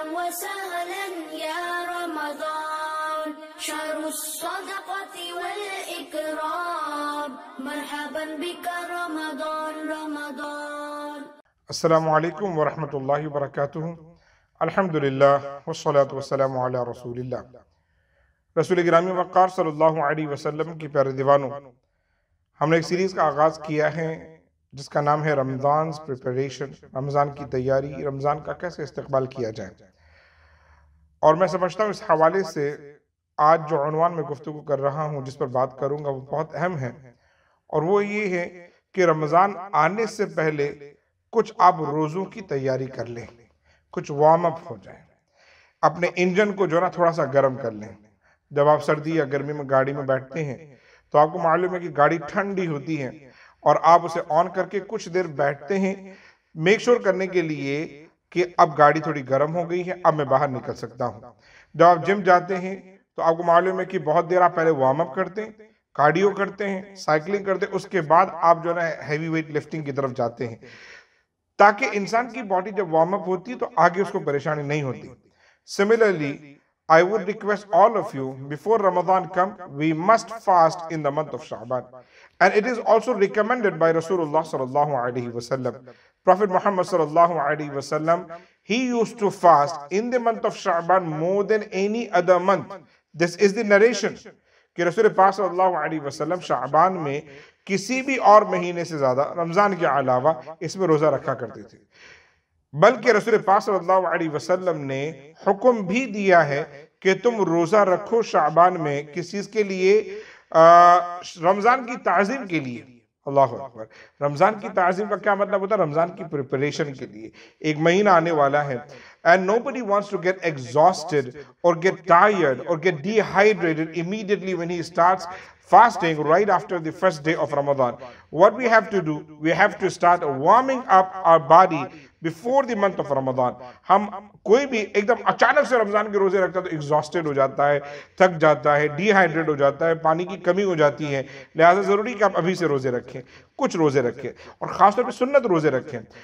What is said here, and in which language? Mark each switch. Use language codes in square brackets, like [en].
[ar] وسهلا يا رمضان شهر الصدقة والإكرام مرحبا بك رمضان رمضان. السلام عليكم ورحمة الله وبركاته. الحمد لله والصلاة والسلام على رسول الله. [ur] رسول گرامی وقار صلی اللہ علیہ وسلم کی پیارے دیوانوں, ہم نے ایک سیریز کا آغاز کیا ہے جس کا نام ہے رمضان's preparation, رمضان کی تیاری, رمضان کا کیسے استقبال کیا جائے. اور میں سمجھتا ہوں اس حوالے سے آج جو عنوان میں گفتگو کر رہا ہوں, جس پر بات کروں گا, وہ بہت اہم ہے. اور وہ یہ ہے کہ رمضان آنے سے پہلے کچھ آپ روزوں کی تیاری کر لیں, کچھ وارم اپ ہو جائیں, اپنے انجن کو جو نا تھوڑا سا گرم کر لیں. جب آپ سردی یا گرمی میں گاڑی میں بیٹھتے ہیں تو آپ کو معلوم ہے کہ گاڑی ٹھنڈی ہوتی ہے, اور آپ اسے آن کر کے کچھ دیر بیٹھتے ہیں میک شور کرنے کے لیے کہ اب گاڑی تھوڑی گرم ہو گئی ہے, اب میں باہر نکل سکتا ہوں. جب آپ جم جاتے ہیں تو آپ کو معلوم ہے کہ بہت دیر آپ پہلے وارم اپ کرتے ہیں, کارڈیو کرتے ہیں, سائیکلنگ کرتے ہیں, اس کے بعد آپ جو ہے ہیوی ویٹ لفٹنگ کی طرف جاتے ہیں, تاکہ انسان کی باڈی جب وارم اپ ہوتی ہے تو آگے اس کو پریشانی نہیں ہوتی. [en] Similarly I would request all of you, before Ramadan come, we must fast in the month of Sha'ban. And it is also recommended by Rasulullah sallallahu alayhi wa sallam. Prophet Muhammad sallallahu alayhi wa sallam, he used to fast in the month of Sha'ban more than any other month. This is the narration. [ur] کہ رسول پاک صلی اللہ علیہ وسلم شعبان میں کسی بھی اور مہینے سے زیادہ رمضان کے علاوہ اس میں روزہ رکھا کرتے تھے, بلکہ رسول پاک صلی اللہ علیہ وسلم نے حکم بھی دیا ہے کہ تم روزہ رکھو شعبان میں کس چیز کے لیے؟ رمضان کی تعظیم کے لیے. اللہ اکبر, رمضان کی تعظیم کا کیا مطلب ہوتا ہے؟ رمضان کی پریپریشن کے لیے. ایک مہینہ آنے والا ہے, [en] And nobody wants to get exhausted اور get tired اور get dehydrated immediately when he starts fasting right after the first day of Ramadan. What we have to do, we have to start warming up our body before the month of Ramadan. [ur] ہم کوئی بھی ایک دم اچانک سے رمضان کے روزے رکھتا تو exhausted ہو جاتا ہے, تھک جاتا ہے, dehydrated ہو جاتا ہے, پانی کی کمی ہو جاتی ہے. لہٰذا ضروری کہ آپ ابھی سے روزے رکھیں, کچھ روزے رکھیں, اور خاص طور پہ سنت روزے رکھیں.